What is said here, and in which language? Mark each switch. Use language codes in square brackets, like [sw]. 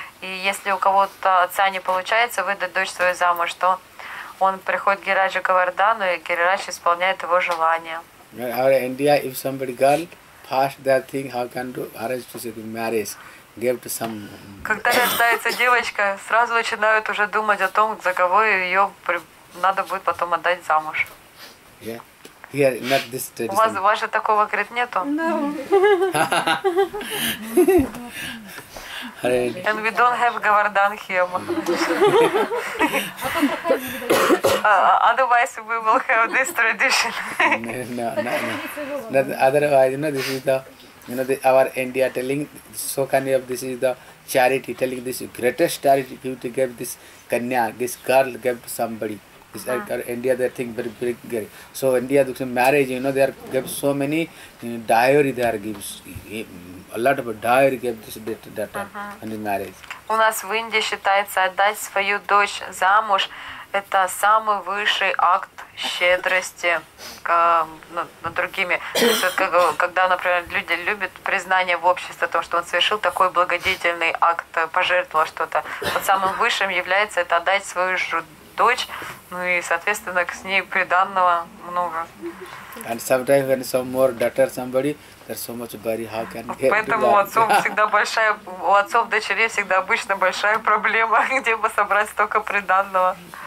[ru] И если у кого-то отца не получается выдать дочь свою замуж, то он приходит к Гирираджу Говардхану, и Гирирадж исполняет его желание. [en] First, they think how can do arrange to say marriage, give to some. [ru] Когда рождается девочка, сразу начинают уже думать о том, за кого ее надо будет потом отдать замуж. [en] Yeah, here not this tradition. [ru] У вас же такого говорит нету? [en] No. And we don't have Govardhan here. otherwise we will have this tradition. No. Otherwise, you know, this is the, you know, the, our India telling so kind of this is the charity, telling this greatest charity you to give this kanya, this girl gave to somebody. This India they think very big girl. So India the marriage, you know, they are give so many, you know, diary they are gives. A lot of diary gave this daughter and the marriage. [ru] У нас в Индии считается отдать свою дочь замуж – это самый высший акт щедрости над другими. То есть, когда, например, люди любят признание в обществе о том, что он совершил такой благодетельный акт, пожертвовал что-то, вот самым высшим является это отдать свою дочь, ну и, соответственно, с ней приданного много. [en] And sometimes when some more daughter somebody, there's so much worry, how can get [ru] поэтому у отцов всегда большая, у отцов дочерей всегда обычно большая проблема, где бы собрать столько приданного.